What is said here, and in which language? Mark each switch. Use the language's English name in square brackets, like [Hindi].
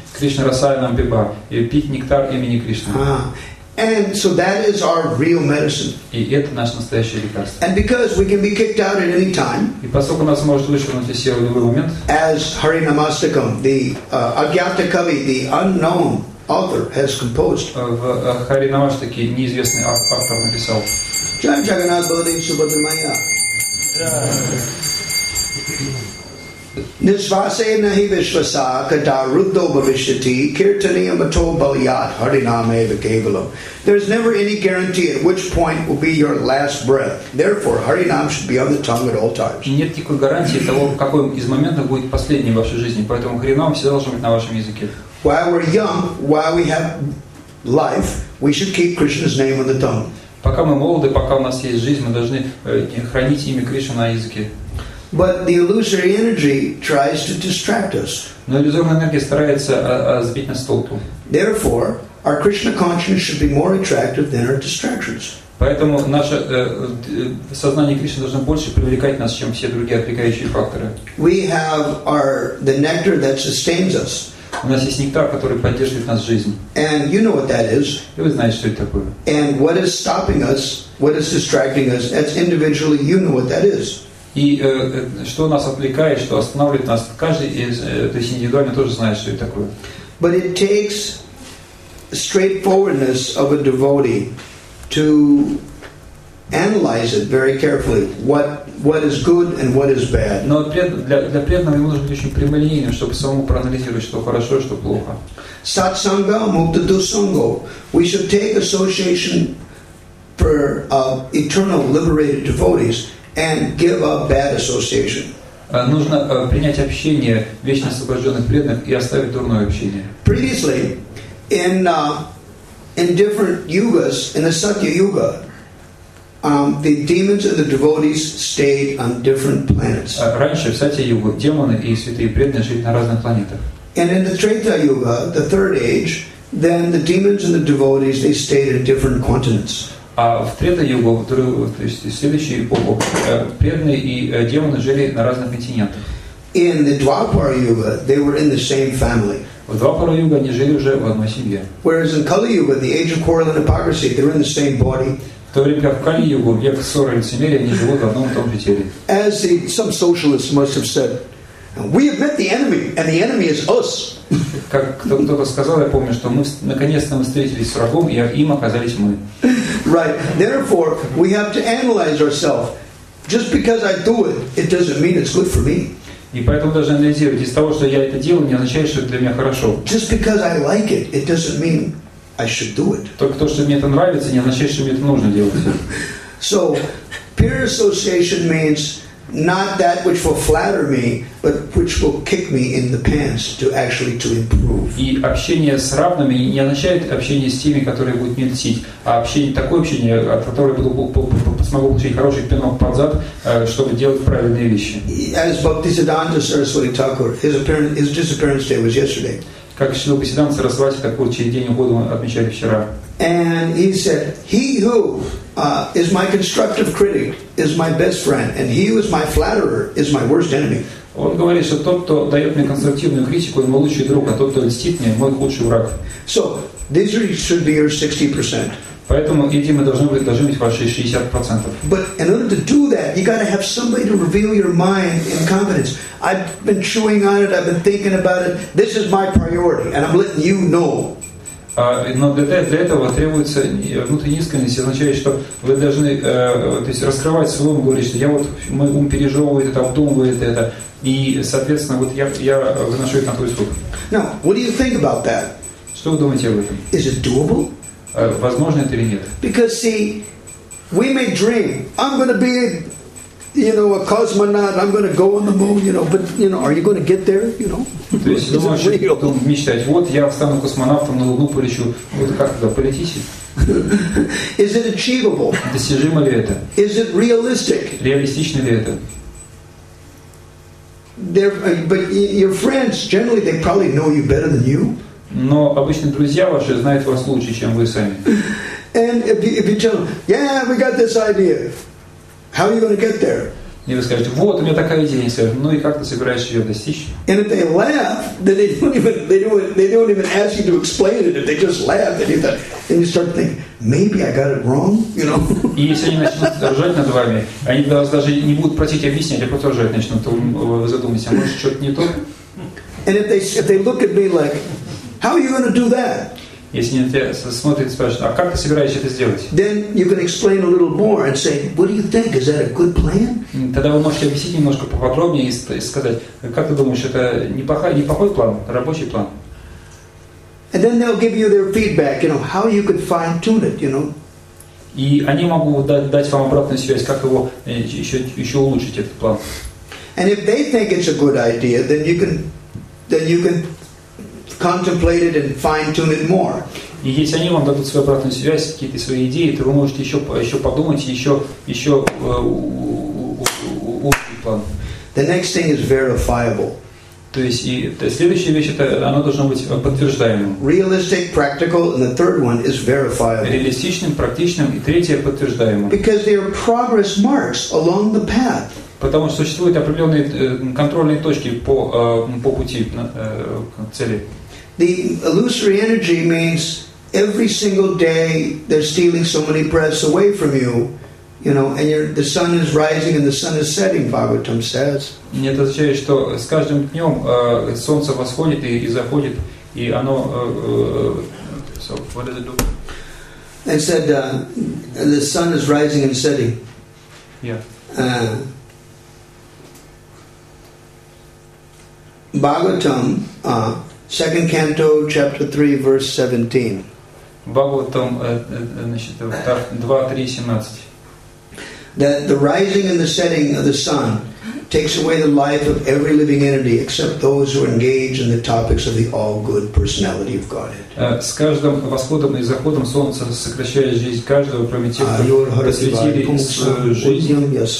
[Sanskrit] Кришна Расаянам Бипа, [Russian] и пить нектар имени Кришны. [English] And so that is our real medicine. [Russian] И это наше настоящее лекарство. [English] And because we can be kicked out at any time. [Russian] И поскольку нас может вышвырнуть из сил в любой момент. [English] As Hari Namastakam, the Agyata Kavi, the unknown author, has composed. [Russian] В Hari Namastake неизвестный автор написал. [Sanskrit] Jai Jagannath Baladev Subhadramaya. Nisvase nahi vishvasa kata ruddho bhavishyati kirtaniya mato balyat harinama eva kevalam. [English] There is never any guarantee at which point will be your last breath. Therefore, harinam should be on the tongue at all times. [Russian] Нет никакой гарантии того, в какой из моментов будет последний в вашей жизни, поэтому харинам всегда должен быть на вашем языке. [English] While we're young, while we have life, we should keep Krishna's name on the tongue. [Russian] Пока мы молоды, пока у нас есть жизнь, мы должны хранить имя Кришны на языке. [English] But the illusory energy tries to distract us. [Russian] Но иллюзорная энергия старается сбить нас с толку. [English] Therefore, our Krishna consciousness should be more attractive than our distractions. [Russian] Поэтому наше сознание Кришны должно больше привлекать нас, чем все другие отвлекающие факторы. [English] We have the nectar that sustains us. [Russian] У нас есть нектар, который поддерживает нас в жизни. [English] And you know what that is. [Russian] И вы знаете, что это такое. [English] And what is stopping us, what is distracting us, that's individually, you know what that is. [Russian] И что нас отвлекает, что останавливает нас, каждый из, то есть индивидуально тоже знает, что это такое. [English] But it takes straightforwardness of a devotee to analyze it very carefully. What is good and what is bad. [Russian] Но для преданного ему нужно быть очень прямолинейным, чтобы самому проанализировать, что хорошо, что плохо. [Sanskrit] Satsanga mukta dusango. [English] We should take association for eternal liberated devotees and give up bad association. [Russian] Нужно принять общение вечно освобожденных преданных и оставить дурное общение. [English] Previously, in different yugas, in the Satya Yuga, the demons and the devotees stayed on different planets. [Russian] Раньше в Сатья Юге демоны и святые преданные жили на разных планетах. [English] And in the Treta Yuga, the third age, then the demons and the devotees they stayed in different continents. [Russian] А в Трета Юга, то есть следующий эпоху, преданные и демоны жили на разных континентах. [English] In the Dwapara Yuga, they were in the same family. [Russian] В Двапара Юга они жили уже в одной семье. [English] Whereas in Kali Yuga, the age of quarrel and hypocrisy, they were in the same body. [Russian] В то время как в Кали-Югу, век ссоры и лицемерия, они живут в одном и том же теле. [English] As some socialists must have said, we have met the enemy, and the enemy is us. [Russian] Как кто-то сказал, я помню, что мы наконец-то мы встретились с врагом, и им оказались мы. [English] Right. Therefore, we have to analyze ourselves. Just because I do it, it doesn't mean it's good for me. [Russian] И поэтому даже анализировать. Из того, что я это делаю, не означает, что это для меня хорошо. [English] Just because I like it, it doesn't mean I should do it. [Russian] Только то, что мне это нравится, не означает, что мне это нужно делать. [English] So, peer association means not that which will flatter me, but which will kick me in the pants to actually to improve. [Russian] И общение с равными не означает общение с теми, которые будут мне льстить, а общение такое общение, от которого буду смогу получить хороший пинок под зад, чтобы делать правильные вещи. [English] As Bhaktisiddhanta Saraswati Thakur, his disappearance day was yesterday. [Russian] Как Шрила Бхактисиддханта Сарасвати Такур через день угодно отмечали вчера. [English] And he said, he who is my constructive critic is my best friend, and he who is my flatterer is my worst enemy. [Russian] Он говорит, что тот, кто дает мне конструктивную критику, он мой лучший друг, а тот, кто льстит мне, мой худший враг. [English] So, these should be your 60%. [Russian] Поэтому эти мы должны быть ваши 60%. [English] But in order to do that, you got to have somebody to reveal your mind in confidence. I've been chewing on it. I've been thinking about it. This is my priority, and I'm letting you know. [Russian] Но для этого требуется внутренняя искренность, означает, что вы должны, то есть, раскрывать свой ум, говорить, что я вот мой ум пережевывает это, обдумывает это, и, соответственно, вот я выношу это на твой суд. [English] Now, what do you think about that? [Russian] Что вы думаете об этом? [English] Is it doable? [Russian] Возможно это или нет? [English] Because see, we may dream, I'm going to be, you know, a cosmonaut, I'm going to go on the moon, you know, but you know, are you going to get there, you know? [Russian] То есть думаешь, мечтать, вот я стану космонавтом, на Луну полечу, вот как туда полетите? [English] Is it achievable? [Russian] Достижимо ли это? [English] Is it realistic? [Russian] Реалистично ли это? [English] But your friends, generally, they probably know you better than you. [Russian] Но обычно друзья ваши знают вас лучше, чем вы сами. [English] And if you tell them, yeah, we got this idea. How are you going to get there? [Russian] И вы скажете, вот у меня такая идея, я скажу, ну и как ты собираешься ее достичь? [English] And if they laugh, then they don't even ask you to explain it. If they just laugh, then you start thinking, maybe I got it wrong, you know? [Russian] И если они начнут ржать над вами, они вас даже не будут просить объяснять, а просто ржать начнут, то вы задумаетесь, а может что-то не то? [English] And if they look at me like, how are you going to do that? [Russian] Если они смотрят и спрашивают, а как ты собираешься это сделать? [English] Then you can explain a little more and say, what do you think? Is that a good plan? [Russian] Тогда вы можете объяснить немножко поподробнее и сказать, как ты думаешь, это неплохой план, рабочий план? [English] And then they'll give you their feedback, you know, how you could fine-tune it, you know. [Russian] И они могут дать вам обратную связь, как его еще улучшить этот план. [English] And if they think it's a good idea, then you can contemplate it and fine-tune it more. [Russian] И если они вам дадут свою обратную связь, какие-то свои идеи, то вы можете еще подумать, еще улучшить план. [English] The next thing is verifiable. [Russian] То есть следующая вещь это оно должно быть подтверждаемым. [English] Realistic, practical, and the third one is verifiable. [Russian] Реалистичным, практичным и третье подтверждаемым. [English] Because there are progress marks along the path. [Russian] Потому что существуют определенные контрольные точки по пути к цели. [English] The illusory energy means every single day they're stealing so many breaths away from you, you know, and the sun is rising and the sun is setting, Bhagavatam says. [Russian] Это означает, что с каждым днем солнце восходит и заходит, и оно... [English] So, what does it do? and said, the sun is rising and setting. Yeah. Bhagavatam, second canto, chapter 3, verse 17. [Russian] Bhagavatam, значит, 2, 3, 17. [English] That the rising and the setting of the sun takes away the life of every living entity except those who are engaged in the topics of the all-good personality of Godhead. [Russian] С каждым восходом и заходом солнца сокращает жизнь каждого, кроме тех, кто посвятили жизнь